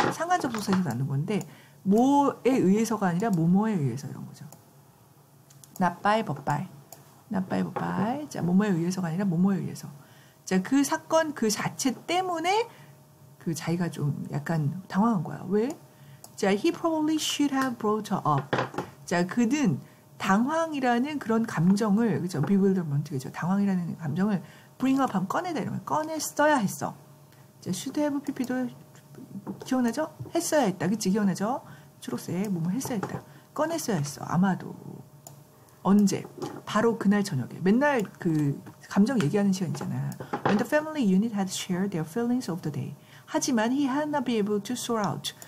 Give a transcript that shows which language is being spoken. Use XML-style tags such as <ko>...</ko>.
<ko>상관적 부사에서 나는 건데, 뭐에 의해서가 아니라, 뭐뭐에 의해서 이런 거죠. 납바위, 법바위. 납바위, 법바위. 자, 뭐뭐에 의해서가 아니라, 뭐뭐에 의해서. 자, 그 사건 그 자체 때문에 그 자기가 좀 약간 당황한 거야. 왜?</ko> <en>자, he probably should have brought her up.</en> <ko>자, 그는 당황이라는 그런 감정을, 그죠? bewilderment, 그죠? 당황이라는 감정을 bring up 하면 꺼내다 이러면 꺼냈어야 했어. 자, should have pp도 기억나죠? 했어야 했다. 그치? 기억나죠? 초록색, 뭐뭐 했어야 했다. 꺼냈어야 했어. 아마도. 언제? 바로 그날 저녁에. 맨날 그 감정 얘기하는 시간이잖아.</ko> <en>When the family unit had shared their feelings of the day.</en> <ko>하지만</ko> <en>he had not been able to sort out.</en>